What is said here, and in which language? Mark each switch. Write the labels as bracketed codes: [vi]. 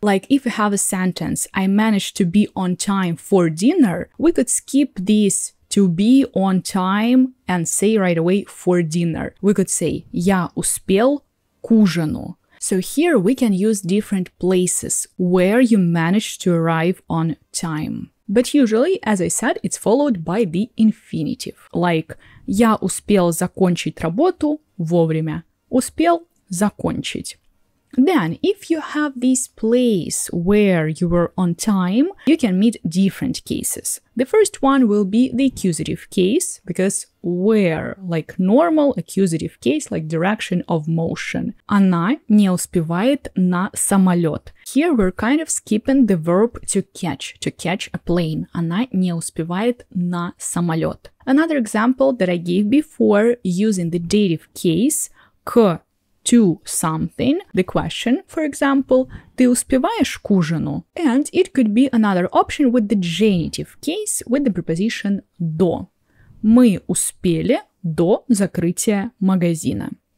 [en] Like if you have a sentence, I managed to be on time for dinner, we could skip this to be on time and say right away for dinner. We could say [ru] я успел к ужину. [en] So here we can use different places where you manage to arrive on time. But usually, as I said, it's followed by the infinitive. [ru] Like, я успел закончить работу вовремя. Успел закончить. [en] Then, if you have this place where you were on time, you can meet different cases. The first one will be the accusative case, because where, like normal accusative case, like direction of motion. [ru] Она не успевает на самолет. [en] Here we're kind of skipping the verb to catch a plane. [ru] Она не успевает на самолет. [en] Another example that I gave before using the dative case, к to something, the question, for example, [ru] ты успеваешь к ужину? [en] And it could be another option with the genitive case with the preposition до. [ru] Мы успели до закрытия магазина.